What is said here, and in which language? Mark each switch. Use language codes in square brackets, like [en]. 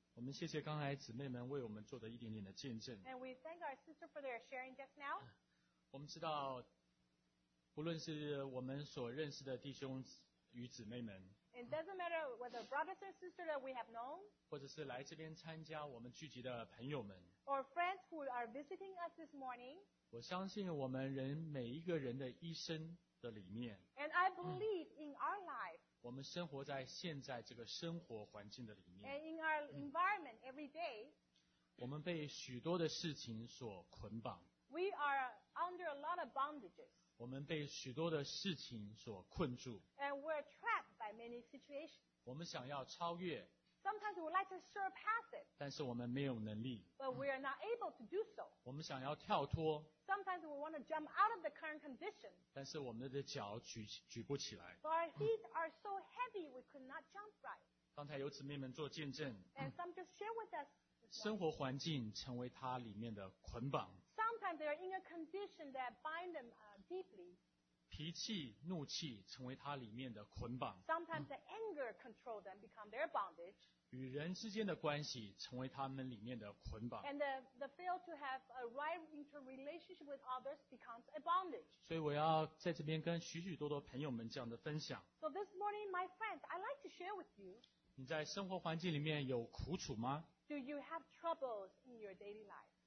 [zh] 我们谢谢刚才姊妹们为我们做的一点点的见证。 [en] And we thank our sister for their sharing just now. [zh] 我们知道。不论是我们所认识的弟兄与姊妹们， [en] It doesn't matter whether brothers or sisters that we have known, [zh] 或者是来这边参加我们聚集的朋友们， [en] or friends who are visiting us this morning, [zh] 我相信我们人每一个人的一生的里面， [en] and I believe in our life, [zh] 我们生活在现在这个生活环境的里面， [en] and in our environment every day, [zh] 我们被许多的事情所捆绑， [en] we are under a lot of bondages. [zh] 我们被许多的事情所困住。 [en] And we're trapped by many situations. [zh] 我们想要超越。 [en] Sometimes we would like to surpass it. [zh] 但是我们没有能力。 [en] But we are not able to do so. [zh] 我们想要跳脱。 [en] Sometimes we want to jump out of the current condition. [zh] 但是我们的脚举不起来。 [en] But our feet are so heavy we could not jump right. [zh] 刚才有姊妹们做见证。 [en] And some just share with us. [zh] 生活环境成为它里面的捆绑。 [en] Sometimes they are in a condition that bind them deeply. [zh] 脾气、怒气成为他里面的捆绑。 [en] Sometimes the anger control them become their bondage. [zh] 与人之间的关系成为他们里面的捆绑。 [en] And the fail to have a right interrelationship with others becomes a bondage. [zh] 所以我要在这边跟许许多多朋友们这样的分享。 [en] So this morning, my friends, I'd like to share with you. [zh] 你在生活环境里面有苦楚吗？ [en] Do you have troubles in your daily life?